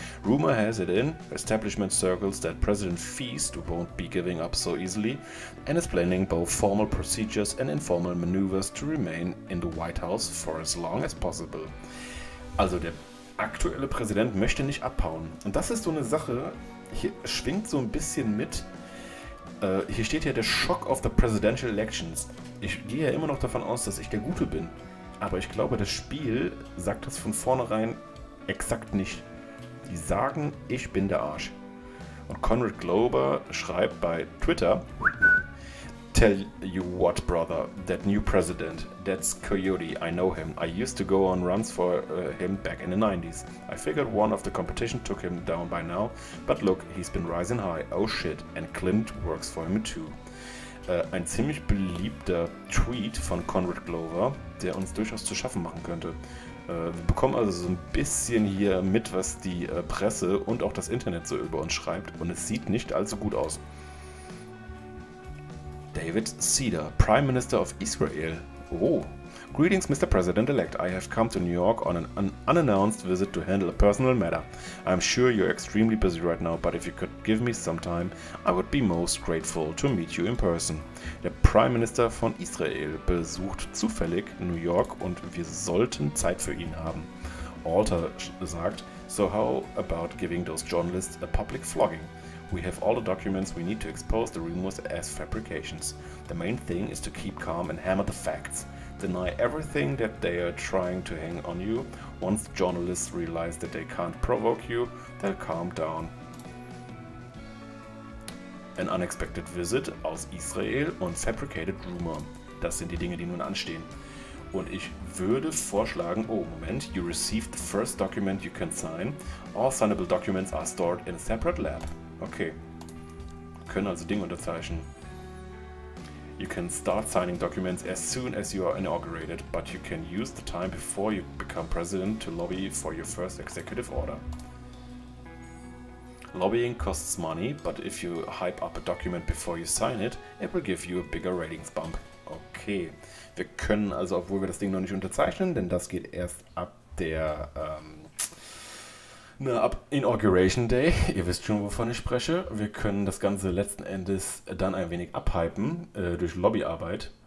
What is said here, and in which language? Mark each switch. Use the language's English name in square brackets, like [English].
[English] Rumor has it in establishment circles that President Feast won't be giving up so easily and is planning both formal procedures and informal maneuvers to remain in the White House for as long as possible. [German] Also der aktuelle Präsident möchte nicht abhauen. Und das ist so eine Sache, hier schwingt so ein bisschen mit. Hier steht ja der Shock of the Presidential Elections. Ich gehe ja immer noch davon aus, dass ich der Gute bin. Aber ich glaube, das Spiel sagt das von vornherein exakt nicht. Die sagen, ich bin der Arsch. Und Conrad Glover schreibt bei Twitter: [English] Tell you what, brother, that new president, that's Coyote, I know him. I used to go on runs for him back in the 90s. I figured one of the competition took him down by now, but look, he's been rising high, oh shit, and Clint works for him too. [German] Ein ziemlich beliebter Tweet von Conrad Glover, der uns durchaus zu schaffen machen könnte. Wir bekommen also so ein bisschen hier mit, was die Presse und auch das Internet so über uns schreibt, und es sieht nicht allzu gut aus. [English] David Cedar, Prime Minister of Israel. Oh. Greetings, Mr. President-elect. I have come to New York on an unannounced visit to handle a personal matter. I'm sure you're extremely busy right now, but if you could give me some time, I would be most grateful to meet you in person. [German] Der Prime Minister von Israel besucht zufällig New York und wir sollten Zeit für ihn haben. Alter sagt, [English] so how about giving those journalists a public flogging? We have all the documents we need to expose the rumors as fabrications. The main thing is to keep calm and hammer the facts. Deny everything that they are trying to hang on you. Once journalists realize that they can't provoke you, they'll calm down. An unexpected visit [German] aus Israel und [English] fabricated rumor. [German] Das sind die Dinge, die nun anstehen. Und ich würde vorschlagen, oh Moment, [English] you received the first document you can sign. All signable documents are stored in a separate lab. [German] Okay, wir können also Dinge unterzeichnen. [English] You can start signing documents as soon as you are inaugurated, but you can use the time before you become president to lobby for your first executive order. Lobbying costs money, but if you hype up a document before you sign it, it will give you a bigger ratings bump. [German] Okay, wir können also, obwohl wir das Ding noch nicht unterzeichnen, denn das geht erst ab der... ab Inauguration Day, ihr wisst schon, wovon ich spreche, wir können das Ganze letzten Endes dann ein wenig abhypen durch Lobbyarbeit.